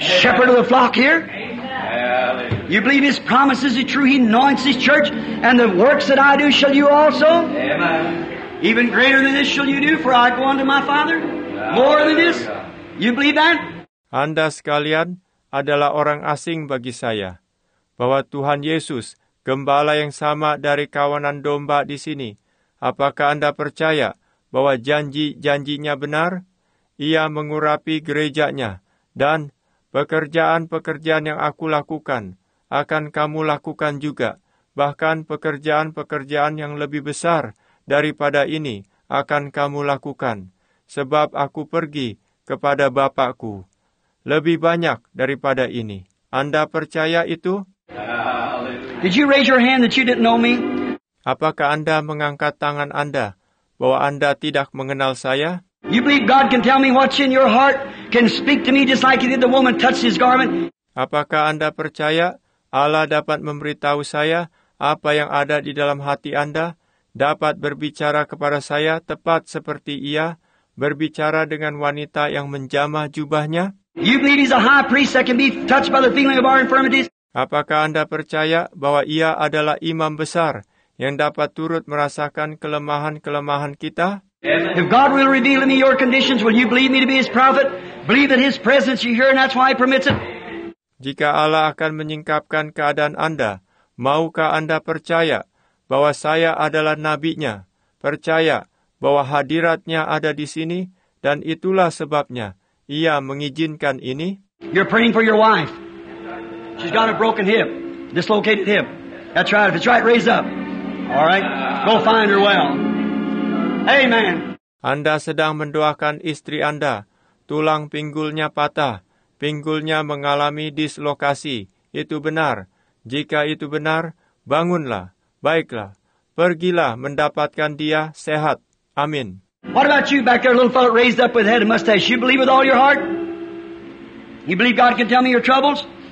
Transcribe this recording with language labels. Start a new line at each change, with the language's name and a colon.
English: Shepherd of the flock here? Amen. You believe His promises are true? He anoints His church, and the works that I do shall you also? Amen. Even greater than this shall you do, for I go unto my Father? More than this? You believe that?
Indonesian: Anda sekalian adalah orang asing bagi saya. Bahwa Tuhan Yesus, gembala yang sama dari kawanan domba di sini. Apakah Anda percaya bahwa janji-janjinya benar? Ia mengurapi gerejanya, dan pekerjaan-pekerjaan yang aku lakukan, akan kamu lakukan juga. Bahkan pekerjaan-pekerjaan yang lebih besar daripada ini, akan kamu lakukan. Sebab aku pergi kepada Bapa-Ku. Lebih banyak daripada ini. Anda percaya itu?
English: Did you raise your hand that you didn't know me?
Indonesian: Apakah Anda mengangkat tangan Anda bahwa Anda tidak mengenal saya?
English: You believe God can tell me what's in your heart, can speak to me just like He did the woman touched His garment?
Indonesian: Apakah Anda percaya Allah dapat memberitahu saya apa yang ada di dalam hati Anda, dapat berbicara kepada saya tepat seperti Ia berbicara dengan wanita yang menjamah jubahnya?
English: You believe He's a high priest that can be touched by the feeling of our infirmities?
Indonesian: Apakah Anda percaya bahwa Ia adalah imam besar yang dapat turut merasakan kelemahan-kelemahan kita?
English: If God will reveal to me your conditions, will you believe me to be His prophet? Believe that His presence is here and that's why He permits it?
Indonesian: Jika Allah akan menyingkapkan keadaan Anda, maukah Anda percaya bahwa saya adalah nabinya? Percaya bahwa hadiratnya ada di sini dan itulah sebabnya Ia mengizinkan ini?
English: You're praying for your wife. She's got a broken hip, dislocated hip. That's right. If it's right, raise up. All right. Go find her well. Amen.
Indonesian: Anda sedang mendoakan istri Anda. Tulang pinggulnya patah. Pinggulnya mengalami dislokasi. Itu benar. Jika itu benar, bangunlah. Baiklah. Pergilah mendapatkan dia sehat. Amin.
English: What about you back there, little fellow raised up with head and mustache? You believe with all your heart? You believe God can tell me your troubles?